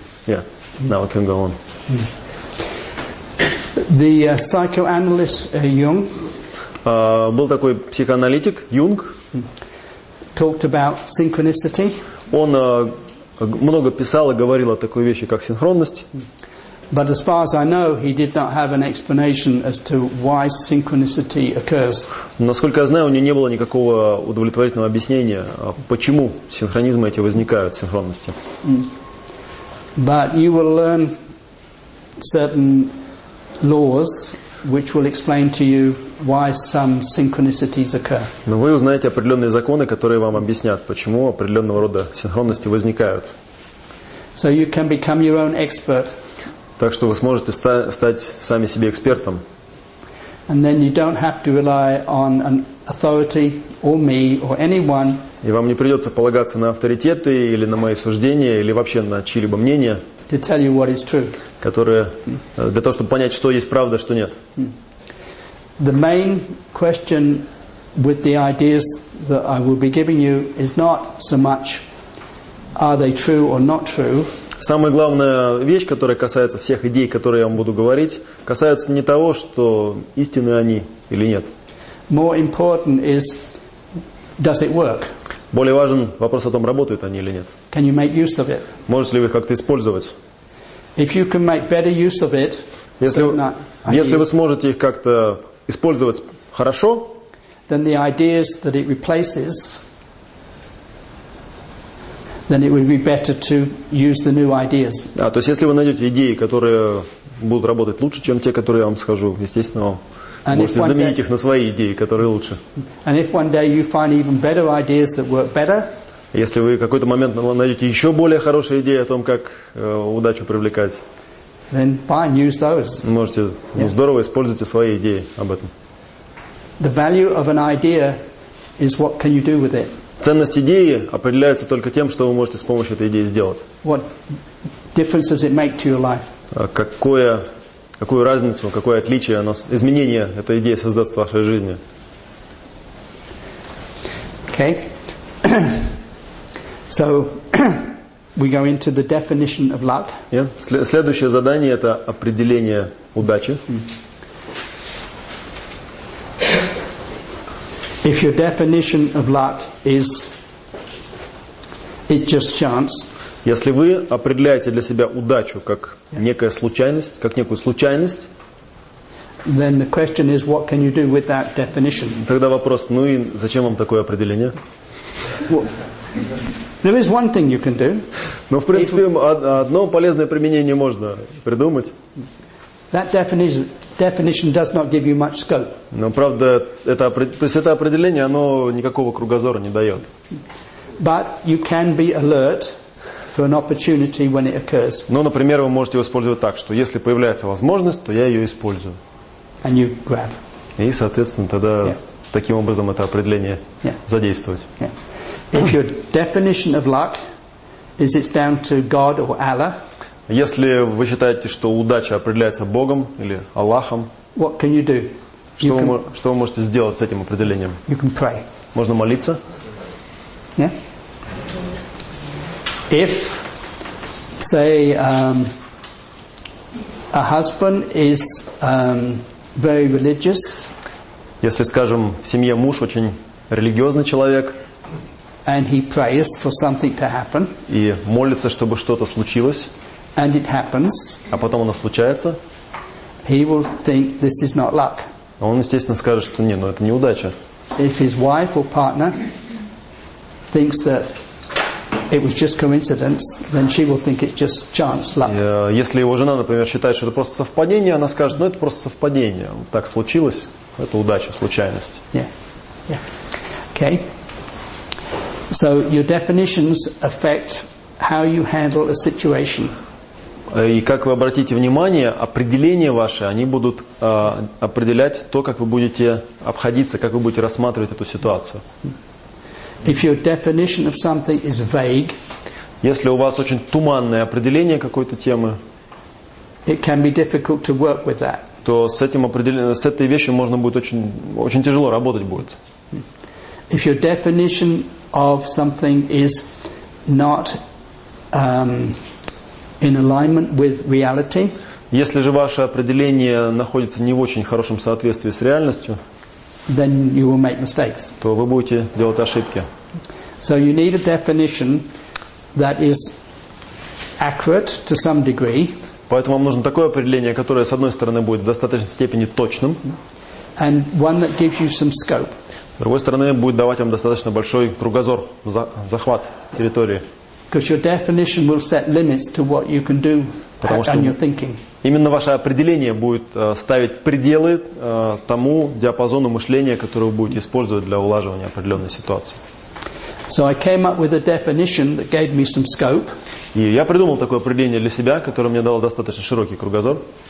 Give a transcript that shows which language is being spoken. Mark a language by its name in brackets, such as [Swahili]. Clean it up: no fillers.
[English] Yeah. Now we can go on. The psychoanalyst Jung. [Russian] Был такой психоаналитик Юнг. [English] Talked about synchronicity. [Russian] Он много писал и говорил о такой вещи, как синхронность. [English] But as far as I know, he did not have an explanation as to why synchronicity occurs. [Russian] Насколько я знаю, у него не было никакого удовлетворительного объяснения, почему синхронизмы эти возникают, синхронности. [English] But you will learn certain laws which will explain to you why some synchronicities occur. [Russian] Но вы узнаете определенные законы, которые вам объяснят, почему определенного рода синхронности возникают. [English] So you can become your own expert. [Russian] Так что вы сможете стать сами себе экспертом. [English] And then you don't have to rely on an authority or me or anyone. [Russian] И вам не придется полагаться на авторитеты или на мои суждения или вообще на чьи-либо мнения. [English] To tell you what is true. [Russian] Которые для того, чтобы понять, что есть правда, что нет. [English] The main question with the ideas that I will be giving you is not so much are they true or not true. [Russian] Самая главная вещь, которая касается всех идей, которые я вам буду говорить, касается не того, что истинны они или нет. [English] More important is does it work? [Russian] Более важен вопрос о том, работают они или нет. [English] Can you make use of it? [Russian] Можете ли вы их как-то использовать? [English] If you can make better use of it, [Russian] если вы сможете их как-то использовать хорошо, [English] then the ideas that it replaces, then it would be better to use the new ideas. [Russian] А то есть, если вы найдете идеи, которые будут работать лучше, чем те, которые я вам скажу, естественно, можете заменить их на свои идеи, которые лучше. [English] And if one day you find even better ideas that work better. [Russian] Если вы в какой-то момент найдете еще более хорошие идеи о том, как удачу привлекать, [English] then fine, use those. [Russian] Можете, ну, здорово, используйте свои идеи об этом. [English] The value of an idea is what can you do with it. [Russian] Ценность идеи определяется только тем, что вы можете с помощью этой идеи сделать. [English] What difference does it make to your life? [Russian] Какую разницу, какое отличие, изменение эта идея создаст в вашей жизни? [English] Okay. So we go into the definition of luck. Yeah. [Russian] Следующее задание это определение удачи. [English] If your definition of luck is just chance. [Russian] Если вы определяете для себя удачу как некая случайность, как некую случайность, [English] then the question is what can you do with that definition? [Russian] Тогда вопрос, ну и зачем вам такое определение? [English] There is one thing you can do. [Russian] Но в принципе одно полезное применение можно придумать. [English] That definition does not give you much scope. [Russian] Но правда это определение оно никакого кругозора не дает. [English] But you can be alert for an opportunity when it occurs. [Russian] Ну, например, вы можете использовать так, что если появляется возможность, то я ее использую. [English] And you grab. [Russian] И, соответственно, тогда таким образом это определение задействовать. [English] Yeah. If your definition of luck is it's down to God or Allah, [Russian] если вы считаете, что удача определяется Богом или Аллахом, [English] what can you do? [Russian] Что вы можете сделать с этим определением? [English] You can pray. [Russian] Можно молиться. [English] Yeah. If say a husband is very religious. [Russian] Если, скажем, в семье муж очень религиозный человек. [English] And he prays for something to happen. [Russian] И молится, чтобы что-то случилось. [English] And it happens. [Russian] А потом оно случается. [English] He will think this is not luck. [Russian] Он, естественно, скажет, что не, ну это неудача. [English] If his wife or partner thinks that it was just coincidence, then she will think it's just chance, luck. [Russian] Если его жена, например, считает, что это просто совпадение, она скажет, ну это просто совпадение, так случилось, это удача, случайность. [English] Yeah, yeah. Okay. So your definitions affect how you handle a situation. [Russian] И как вы обратите внимание, определения ваши, они будут определять то, как вы будете обходиться, как вы будете рассматривать эту ситуацию. [English] If your definition of something is vague, [Russian] если у вас очень туманное определение какой-то темы, [English] it can be difficult to work with that. [Russian] То с этим определением, с этой вещью можно будет очень, очень тяжело работать будет. [English] If your definition of something is not in alignment with reality. [Russian] Если же ваше определение находится не в очень хорошем соответствии с реальностью, [English] then you will make mistakes. [Russian] То вы будете делать ошибки. [English] So you need a definition that is accurate to some degree. [Russian] Поэтому вам нужно такое определение, которое с одной стороны будет в достаточной степени точным, [English] and one that gives you some scope. [Russian] С другой стороны будет давать вам достаточно большой кругозор, захват территории. [English] Because your definition will set limits to what you can do and your thinking. [Russian] Именно ваше определение будет ставить пределы тому диапазону мышления, который вы будете использовать для улаживания определенной ситуации. [English] So I came up with a definition that gave me some scope. [Russian] И я придумал такое определение для себя, которое мне дало достаточно широкий кругозор.